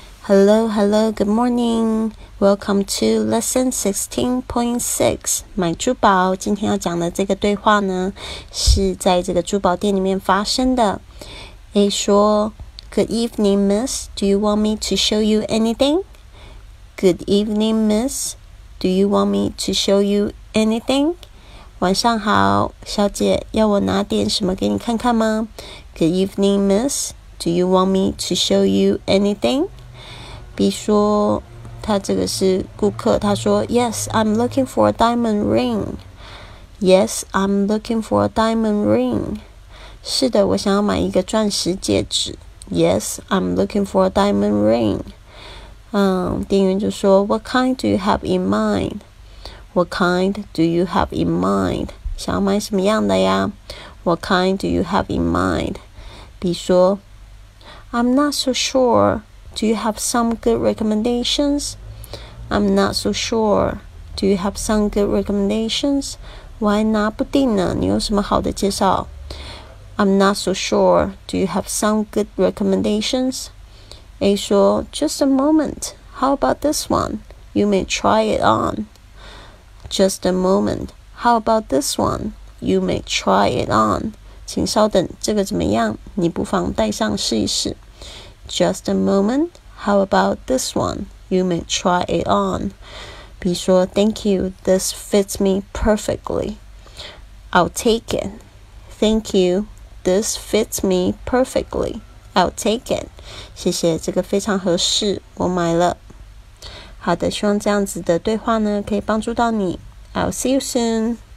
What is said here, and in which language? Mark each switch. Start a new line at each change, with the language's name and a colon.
English: Hello, hello, good morning. Welcome to Lesson 16.6.
Chinese: 买珠宝，今天要讲的这个对话呢，是在这个珠宝店里面发生的。 A 说
English: ,Good evening, miss. Do you want me to show you anything? Good evening, miss. Do you want me to show you anything?
Chinese: 晚上好，小姐，要我拿点什么给你看看吗？
English: Good evening, miss. Do you want me to show you anything?
Chinese: B 说，他这个是顾客，他说
English: Yes, I'm looking for a diamond ring. Yes, I'm looking for a diamond ring.
Chinese: 是的，我想要买一个钻石戒指。
English: Yes, I'm looking for a diamond ring.
Chinese: 店员就说
English: What kind do you have in mind? What kind do you have in mind?
Chinese: 想要买什么样的呀？
English: What kind do you have in mind?
Chinese: B 说
English: I'm not so sure. Do you have some good recommendations? I'm not so sure. Do you have some good recommendations?
Chinese: 我还拿不定呢，你有什么好的介绍？
English: I'm not so sure. Do you have some good recommendations?
Chinese: A 说
English: Just a moment. How about this one? You may try it on. Just a moment. How about this one? You may try it on.
Chinese: 请稍等，这个怎么样？你不妨戴上试一试。
English: Just a moment, how about this one? You may try it on.
Chinese: B 说
English: Thank you, this fits me perfectly. I'll take it. Thank you, this fits me perfectly. I'll take it.
Chinese: 谢谢，这个非常合适，我买了。好的，希望这样子的对话呢，可以帮助到你。
English: I'll see you soon.